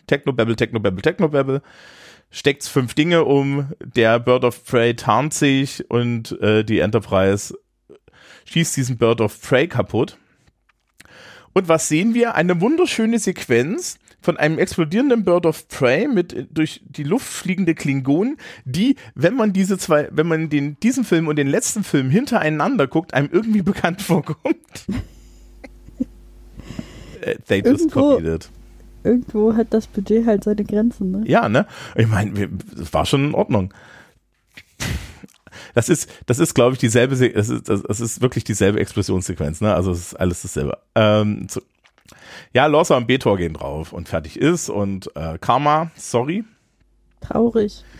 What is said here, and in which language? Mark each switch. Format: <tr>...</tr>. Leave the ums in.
<de>Techno-Babble, Techno-Babble, Techno-Babble, steckt fünf Dinge um, der Bird of Prey tarnt sich und äh, die Enterprise schießt diesen Bird of Prey kaputt. Und was sehen wir? Eine wunderschöne Sequenz von einem explodierenden Bird of Prey mit durch die Luft fliegende Klingonen, die, wenn man diese zwei, wenn man den, diesen Film und den letzten Film hintereinander guckt, einem irgendwie bekannt vorkommt.</de> <en>They just</en> <de>irgendwo,</de> <en>copied it.</en> <de>irgendwo hat das Budget halt seine Grenzen, ne? Ja, ne? Ich meine, es war schon in Ordnung. das ist, das ist, glaube ich, dieselbe, Se das, ist, das, ist wirklich dieselbe Explosionssequenz, ne? Also es ist alles dasselbe. Ähm, zu so. ja, Lorsa und Betor gehen drauf und fertig ist und äh, Karma, sorry. Traurig.</de>